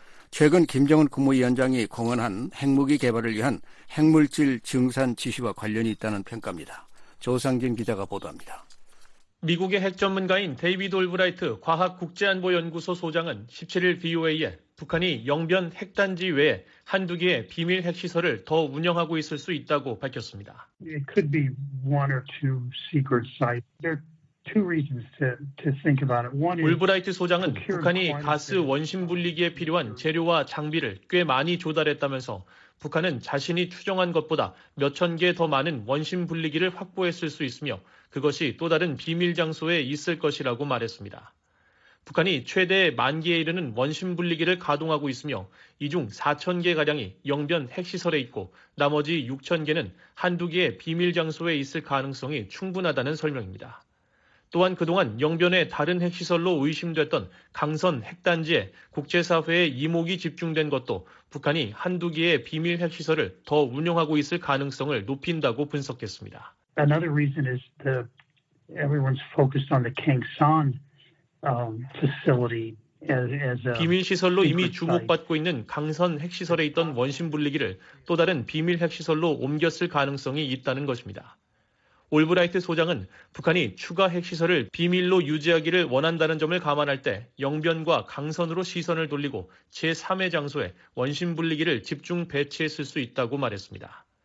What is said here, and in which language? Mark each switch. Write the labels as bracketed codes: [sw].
[ko] 최근 김정은 국무위원장이 공언한 핵무기 개발을 위한 핵물질 증산 지시와 관련이 있다는 평가입니다. 조상진 기자가 보도합니다. 미국의 핵 전문가인 데이비드 올브라이트 과학국제안보연구소 소장은 17일 VOA에 북한이 영변 핵단지 외에 한두 개의 비밀 핵시설을 더 운영하고 있을 수 있다고 밝혔습니다. [en] It could be one or two secret sites. There are two reasons to think about it. One is [ko] 올브라이트 소장은 북한이 가스 원심 분리기에 필요한 재료와 장비를 꽤 많이 조달했다면서 북한은 자신이 추정한 것보다 몇천 개 더 많은 원심 분리기를 확보했을 수 있으며 그것이 또 다른 비밀 장소에 있을 것이라고 말했습니다. 북한이 최대 만 개에 이르는 원심 분리기를 가동하고 있으며 이 중 4천 개가량이 영변 핵시설에 있고 나머지 6천 개는 한두 개의 비밀 장소에 있을 가능성이 충분하다는 설명입니다. 또한 그동안 영변의 다른 핵시설로 의심됐던 강선 핵단지에 국제사회의 이목이 집중된 것도 북한이 한두 개의 비밀 핵시설을 더 운영하고 있을 가능성을 높인다고 분석했습니다. [en] Another reason is the everyone's focused on the Kangsan facility. [ko] 비밀시설로 이미 주목받고 있는 강선 핵시설에 있던 원심 분리기를 또 다른 비밀 핵시설로 옮겼을 가능성이 있다는 것입니다. 올브라이트 소장은 북한이 추가 핵시설을 비밀로 유지하기를 원한다는 점을 감안할 때 영변과 강선으로 시선을 돌리고 제3의 장소에 원심 분리기를 집중 배치했을 수 있다고 말했습니다.